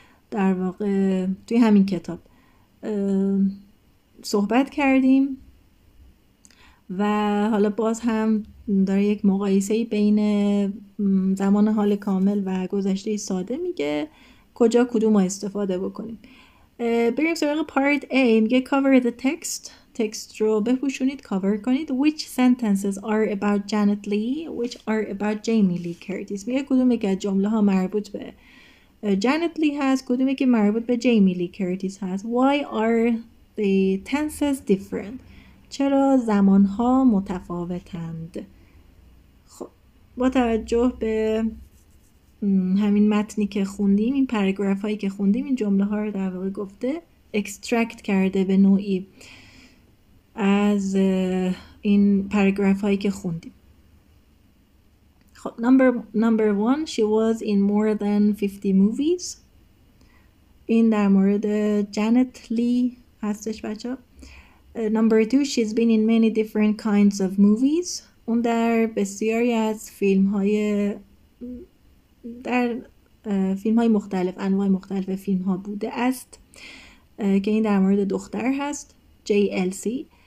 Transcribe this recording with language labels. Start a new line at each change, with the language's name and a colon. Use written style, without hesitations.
Persian: در واقع توی همین کتاب صحبت کردیم و حالا باز هم داره یک مقایسه بین زمان حال کامل و گذشته ساده میگه کجا کدوم رو استفاده بکنیم. بریم سراغ پارت A. میگه
English: cover the text،
Persian: تکست رو بپوشونید، cover کنید.
English: Which sentences are about Janet Lee, which are about Jamie Lee Curtis.
Persian: میگه کدوم یکی از جمله ها مربوط به جانت لی هست، کدوم یکی مربوط به جیمی لی کرتیس هست.
English: Why are the tenses different؟
Persian: چرا زمان ها متفاوتند؟ خب با توجه به همین متنی که خوندیم، این پاراگراف هایی که خوندیم، این جمله ها رو در واقع گفته، اکستراکت کرده به نوعی از این پاراگراف هایی که خوندیم.
English: خب number 1، she was in more than 50 movies.
Persian: این در مورد جانت لی هستش بچه.
English: Number 2، she's been in many different kinds of movies.
Persian: اون در بسیاری از فیلم های مختلف، انواع مختلف فیلم ها بوده است، که این در مورد دختر هست، JLC.